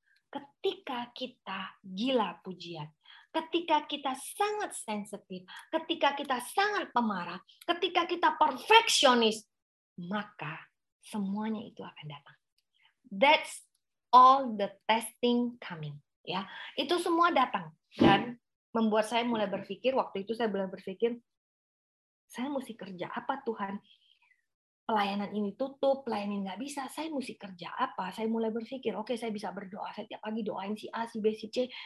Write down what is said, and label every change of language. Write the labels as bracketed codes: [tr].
[id] Ketika kita gila pujian, ketika kita sangat sensitif, ketika kita sangat pemarah, ketika kita perfeksionis, maka semuanya itu akan datang. [en] That's all the testing coming. [id] Ya, itu semua datang dan membuat saya mulai berpikir. Waktu itu saya mulai berpikir, saya mesti kerja apa Tuhan? Pelayanan ini tutup, pelayanan ini nggak bisa. Saya mesti kerja apa? Saya mulai berpikir, oke, saya bisa berdoa. Saya tiap pagi doain si A, si B, si C.